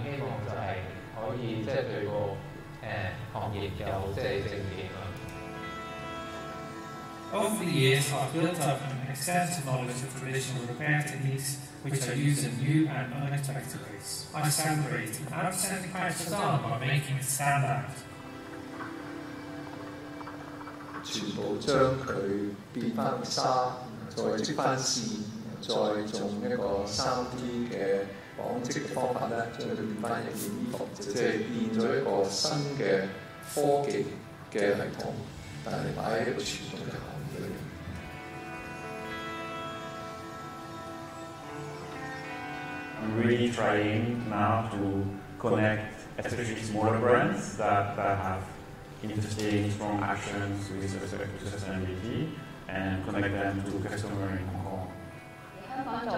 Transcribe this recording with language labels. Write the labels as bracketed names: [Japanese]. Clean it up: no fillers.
[Cantonese] 希望就係可以即係對個 [English] Over the years, I've built up an extensive knowledge of traditional repair techniques which are used in new and unexpected ways. I celebrate an outstanding patch of style by making it stand out. [Cantonese] 全部將它變回沙，再織回線，再用一個 3D 的紡織的方法咧，將佢變翻一件衣服，就即係變咗一個新嘅科技嘅系統，但係擺喺一個傳統嘅行業裏面。 [English] I'm really trying now to connect, especially smaller brands that have interesting strong actions with respect to sustainability, and connect them to customers in Hong Kong.